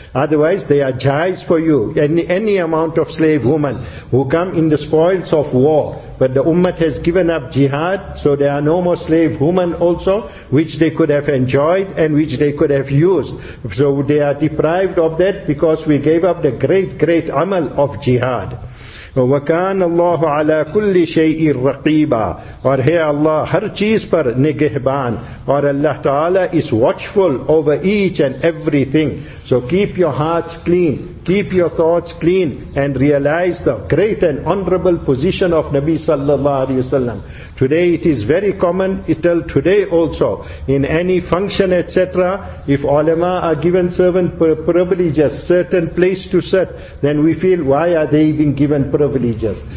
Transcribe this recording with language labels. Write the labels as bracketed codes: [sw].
[en] Otherwise, they are jais for you. Any amount of slave women who come in the spoils of war. But the ummah has given up jihad, so there are no more slave women also, which they could have enjoyed and which they could have used. So they are deprived of that because we gave up the great, great amal of jihad. [ar] وَكَانَ اللَّهُ عَلَىٰ كُلِّ شَيْءٍ رَقِيبًا. [ur] اور ہے اللہ ہر چیز پر نگہبان. اور [en] اللہ تعالیٰ is watchful over each and everything. So keep your hearts clean, keep your thoughts clean, and realize the great and honorable position of Nabi sallallahu alayhi wa sallam. Today it is very common, till today also, in any function etc., if ulama are given certain privileges, certain place to sit, then we feel, why are they being given privileges?